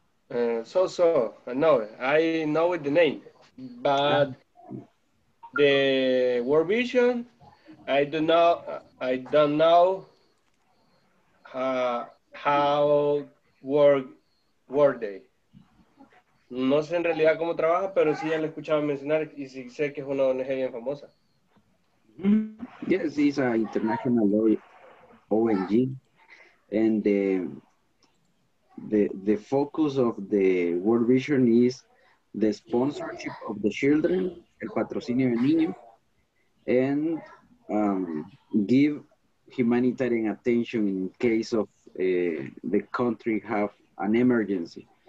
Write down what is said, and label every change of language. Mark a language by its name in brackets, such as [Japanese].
[English] So, no, I know the name, but the World Vision, I don't know how were they. [Spanish] No sé en realidad cómo trabaja, pero sí ya lo escuchaba mencionar y sí sé que es una ONG bien famosa. [English] Yes, it's an international ONG, and the focus of the World Vision is the sponsorship of the children, [Spanish] el patrocinio del niño, [English] and give humanitarian attention in case of the country have an emergency.